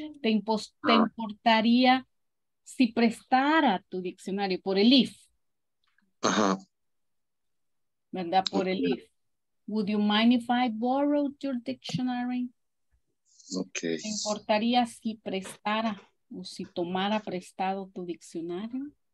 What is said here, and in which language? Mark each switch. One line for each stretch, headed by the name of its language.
Spanish: Te importaría si prestara tu diccionario por el if. Ajá. ¿Verdad? Por el if.
English: Would you mind if I borrowed your dictionary? Okay.
Spanish: ¿Te importaría si prestara o si tomara prestado tu diccionario?